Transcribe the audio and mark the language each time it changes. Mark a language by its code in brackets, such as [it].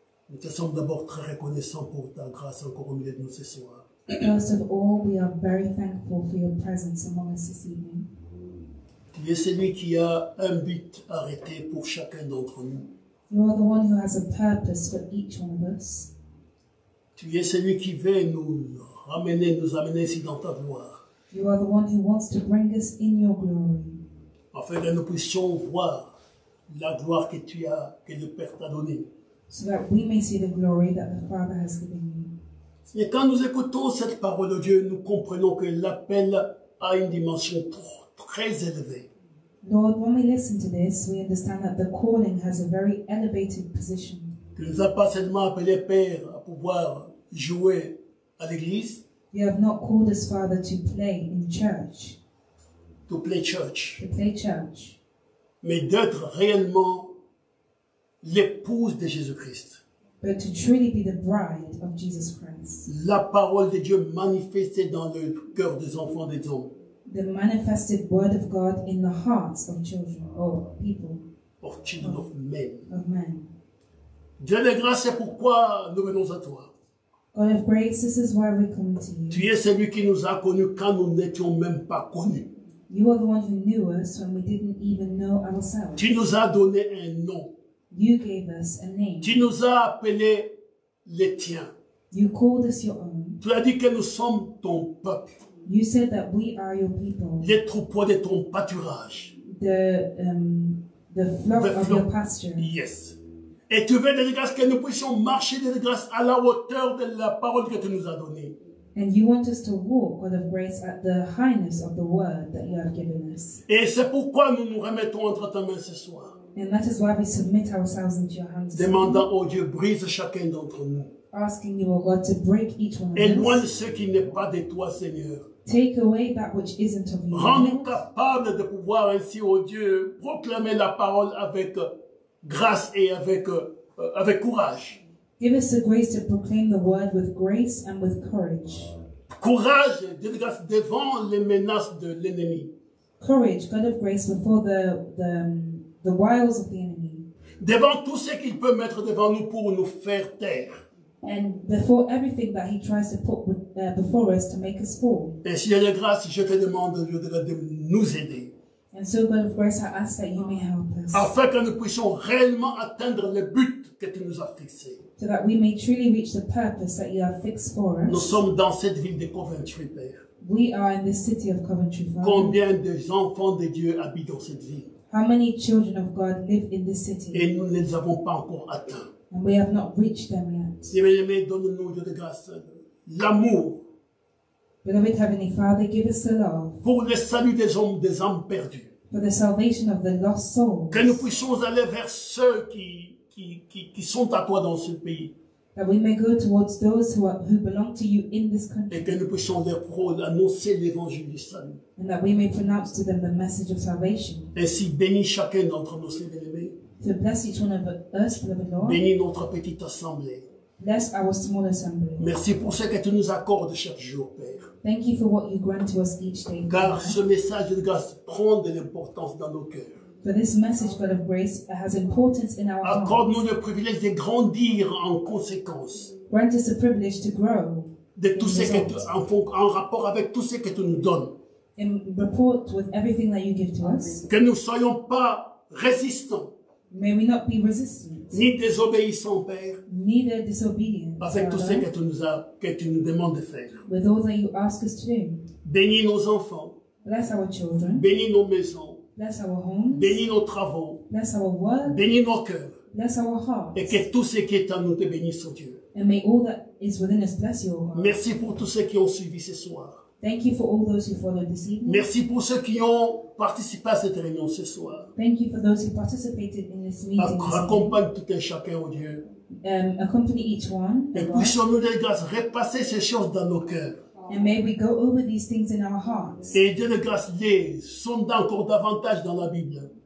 [fr] Nous te sommes d'abord très reconnaissants pour ta grâce encore au milieu de nous ce soir. [en] First of all, we are very thankful for your presence among us this evening. [fr] Tu es celui qui a un but arrêté pour chacun d'entre nous. [en] You are the one who has a purpose for each one of us. [fr] Tu es celui qui veut nous amener ici dans ta gloire. [en] You are the one who wants to bring us in your glory. [fr] Afin que nous puissions voir la gloire que tu as, que le Père t'a donnée. [en] So that we may see the glory that the Father has given you. [fr] Et quand nous écoutons cette parole de Dieu, nous comprenons que l'appel a une dimension propre. Très élevé. [en] Lord, when we listen to this, we understand that the calling has a very elevated position. [fr] Tu ne nous as pas seulement appelé Père à pouvoir jouer à l'église. [en] You have not called us, Father, to play in church. To play church. To play church. [fr] Mais d'être réellement l'épouse de Jésus-Christ. [en] But to truly be the bride of Jesus Christ. [fr] La parole de Dieu manifestée dans le cœur des enfants des hommes. [en] The manifested word of God in the hearts of children or people. Of children of men. Of men. [fr] Dieu de grâce, c'est pourquoi nous venons à toi. [en] God of grace, this is why we come to you. [fr] Tu es celui qui nous a connus quand nous n'étions même pas connus. [en] You are the one who knew us when we didn't even know ourselves. [fr] Tu nous as donné un nom. [en] You gave us a name. [fr] Tu nous as appelés les tiens. [en] You called us your own. [fr] Tu as dit que nous sommes ton peuple. [en] You said that we are your people. [fr] Les troupeaux de ton pâturage. [en] The flock of your pasture. Yes. [fr] Et tu veux de grâce que nous puissions marcher de grâce à la hauteur de la parole que tu nous as donnée. [en] And you want us to walk with grace at the highness of the word that you have given us. [fr] Et c'est pourquoi nous nous remettons entre ta main ce soir. [en] And that is why we submit ourselves into your hands. [fr] Demandant au Dieu brise chacun d'entre nous. [en] Asking you, O God, to break each one of us. [fr] Éloigne ce qui n'est pas de toi, Seigneur. [en] Take away that which isn't of you. [fr] Rends-nous capables de pouvoir ainsi, ô Dieu, proclamer la parole avec grâce et avec courage. [en] Give us the grace to proclaim the word with grace and with courage. [fr] Courage, Dieu de grâce, devant les menaces de l'ennemi. [en] Courage, God of grace, before the wiles of the enemy. [fr] Devant tout ce qu'il peut mettre devant nous pour nous faire taire. [en] And before everything that he tries to put before us to make us fall. [fr] Et si il y a grâce, je te demande, Dieu de grâce, de nous aider. [en] And so, God of grace, I ask that you may help us. [fr] Afin que nous puissions réellement atteindre le but que tu nous as fixé. [en] So that we may truly reach the purpose that you have fixed for us. [fr] Nous sommes dans cette ville de Coventry, Père. [en] We are in the city of Coventry, Father. [fr] Combien de enfants de Dieu habitent dans cette ville? [en] How many children of God live in this city? [fr] Et nous ne les avons pas encore atteints. [en] And we have not reached them yet. [fr] Bien-aimé, donne-nous, Dieu de grâce, l'amour. [en] Beloved Heavenly Father, give us the love. [fr] Pour le salut des hommes, des âmes perdues. [en] For the salvation of the lost souls. [fr] Que nous puissions aller vers ceux qui sont à toi dans ce pays. [en] That we may go towards those who belong to you in this country. [fr] Et que nous puissions leur annoncer l'évangile du salut. [en] And that we may pronounce to them the message of salvation. [fr] Ainsi bénis chacun d'entre nous, Seigneur bien-aimé. [en] To bless each one of us, beloved Lord. [fr] Bénis notre petite assemblée. [en] Bless our small assembly. [fr] Merci pour ce que tu nous accordes chaque jour, Père. [en] Thank you for what you grant to us each day. [fr] Car ce message de grâce prend de l'importance dans nos cœurs. [en] For this message, God of grace, has importance in our hearts. [fr] Accorde-nous le privilège de grandir en conséquence. [en] Grant us the privilege to grow. [fr] De tout ce que tu, en rapport avec tout ce que tu nous donnes. [en] In rapport with everything that you give to us. [fr] Que nous soyons pas résistants. [en] May we not be resistant. [fr] Ni désobéissant, Père. [en] Neither disobedient. [fr] Avec tout ce que tu nous as, que tu nous demandes de faire. [en] With all that you ask us to do. [fr] Bénis nos enfants. [en] Bless our children. [fr] Bénis nos maisons. [en] Bless our homes. [fr] Bénis nos travaux. [en] Bless our work. [fr] Bénis nos cœurs. [en] Bless our hearts. [fr] Et que tout ce qui est en nous te bénisse, Dieu. [en] And may all that is within us bless your heart. [fr] Merci pour tous ceux qui ont suivi ce soir. [en] Thank you for all those who followed this evening. [fr] Merci pour ceux qui ont participé à cette réunion ce soir. [en] Thank you for those who participated in this meeting. [fr] Accompagne tout un chacun, oh Dieu. [en] Accompany each one. [fr] Et puissions-nous de grâce repasser ces choses dans nos cœurs. [en] And may we go over these things in our hearts. [fr] Et Dieu de grâce les sonde encore davantage dans la Bible.